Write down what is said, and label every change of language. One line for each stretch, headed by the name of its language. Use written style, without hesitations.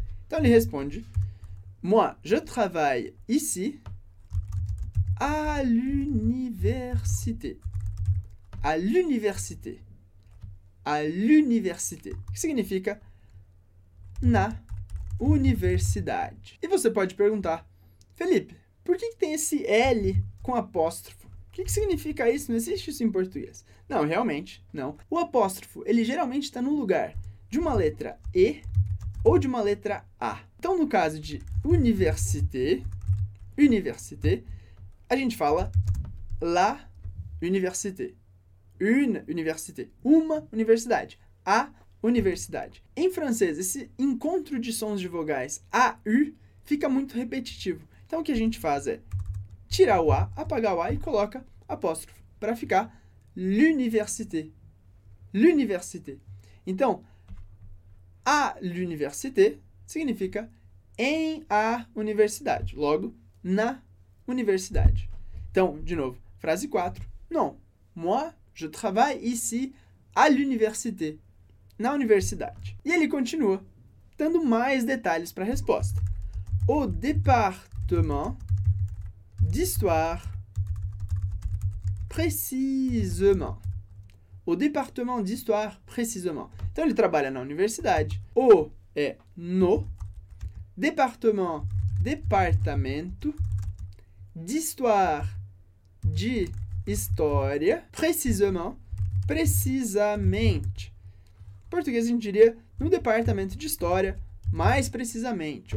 Portuguese: Então ele responde,
French: moi, je travaille ici à l'université. À l'université. à l'université,
Portuguese: que significa na universidade. E você pode perguntar, Felipe, por que tem esse L com apóstrofo? O que significa isso? Não existe isso em português. Não, realmente, não. O apóstrofo, ele geralmente está no lugar de uma letra E ou de uma letra A. Então, no caso de université, université, a gente fala
French: la université. Une université.
Portuguese: Uma universidade. A universidade. Em francês, esse encontro de sons de vogais A, U, fica muito repetitivo. Então, o que a gente faz é tirar o A, apagar o A e coloca apóstrofo, para ficar l'université. L'université. Então, à l'université significa em a universidade. Logo, na universidade. Então, de novo, frase 4.
French: Non, moi, je travaille ici à l'université.
Portuguese: Na universidade. E ele continua, dando mais detalhes para a resposta.
French: Au département d'histoire. Précisément. Au département d'histoire, précisément.
Portuguese: Então, ele trabalha na universidade. O é no. Département, departamento. D'histoire, de história. Précisément, precisamente. Em português, a gente diria no departamento de história, mais precisamente.